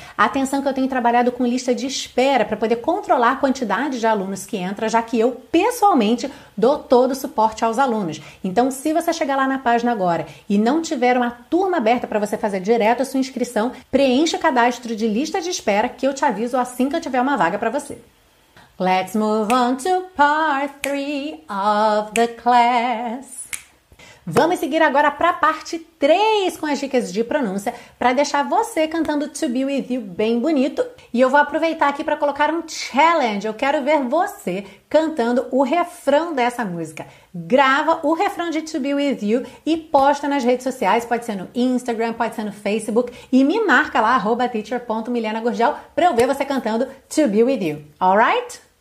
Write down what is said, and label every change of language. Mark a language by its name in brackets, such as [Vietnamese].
[Portuguese] Atenção que eu tenho trabalhado com lista de espera para poder controlar a quantidade de alunos que entra, já que eu pessoalmente dou todo o suporte aos alunos. Então, se você chegar lá na página agora e não tiver uma turma aberta para você fazer direto a sua inscrição, preencha o cadastro de lista de espera que eu te aviso assim que eu tiver uma vaga para você. [English] Let's move on to part 3 of the class. [Portuguese] Vamos seguir agora para a parte 3 com as dicas de pronúncia para deixar você cantando To Be With You bem bonito. E eu vou aproveitar aqui para colocar um challenge. Eu quero ver você cantando o refrão dessa música. Grava o refrão de To Be With You e posta nas redes sociais, pode ser no Instagram, pode ser no Facebook, e me marca lá, @teacher.milenagurgel, para eu ver você cantando To Be With You. Alright?